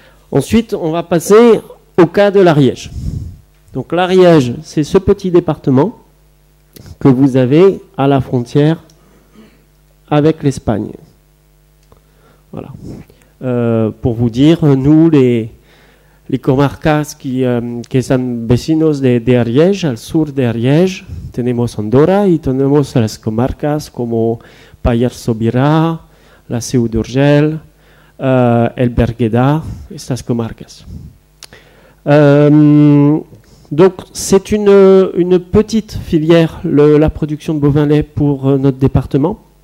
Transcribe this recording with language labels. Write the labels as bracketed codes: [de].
[fr] Ensuite, on va passer au cas de l'Ariège. Donc l'Ariège, c'est ce petit département que vous avez à la frontière avec l'Espagne. Voilà. Pour vous dire, nous, les comarcas qui sont vecinos de Ariège, [es] al sur de Ariège. Tenemos Andorra y tenemos las comarcas como Pallars Sobirá, la Seu d'Urgell, el Berguedà, estas comarcas. [fr] Donc c'est une petite filière, la production de bovin lait pour notre département.